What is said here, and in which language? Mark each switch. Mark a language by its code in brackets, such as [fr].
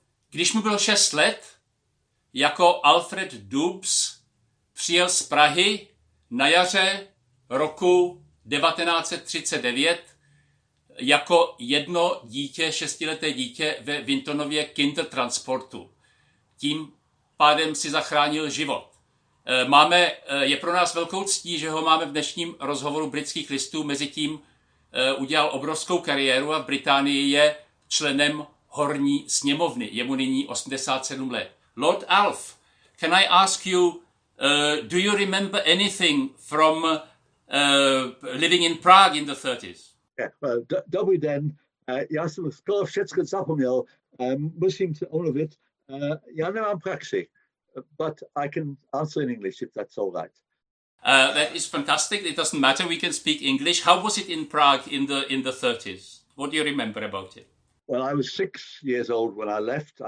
[cs] Když mu bylo 6 let, jako Alfred Dubs přijel z Prahy na jaře roku 1939 jako jedno dítě, 6leté dítě ve Wintonově Kindertransportu. Tím pádem si zachránil život. Je pro nás velkou ctí, že ho máme v dnešním rozhovoru Britských listů. Mezitím udělal obrovskou kariéru a v Británii je členem horní sněmovny. Je mu nyní 87 let. [en] Lord Alf, can I ask you, do you remember anything from living in Prague in the 30s? [cs] Dobrý den. Já jsem skoro všechno zapomněl. Musím se omluvit. Já nemám praxi, [en] but I can answer in English if that's all right. That is fantastic. It doesn't matter. We can speak English. How was it in Prague in the 30s? What do you remember about it? Well, I was 6 years old when I left.